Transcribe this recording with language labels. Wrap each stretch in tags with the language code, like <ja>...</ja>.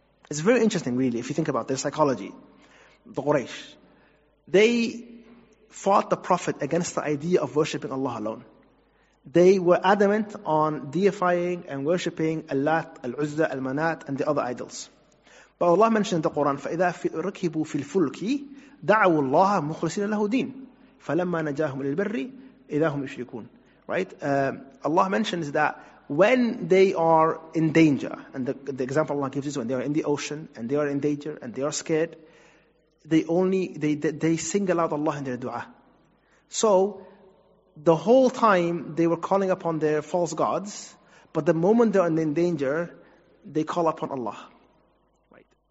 <en>It's very interesting, really, if you think about their psychology. The Quraysh. They fought the Prophet against the idea of worshipping Allah alone. They were adamant on deifying and worshipping Allat, Al-Uzza, Al-Manat, and the other idols. But Allah mentioned in the Quran,</en> <ar>فَإِذَا رَكِبُوا فِي الْفُلْكِ دَعَوُوا اللَّهَ مُخْلِصِينَ لَهُ دِينَ فَلَمَّا نَجَاهُمْ لِلْبَرِّ إِذَا هُمْ يُشْرِكُونَ.</ar> <en>Right? Allah mentions that when they are in danger, and the example Allah gives is when they are in the ocean and they are in danger and they are scared, they single out Allah in their dua. So the whole time they were calling upon their false gods, but the moment they are in danger, they call upon Allah. Right.</en>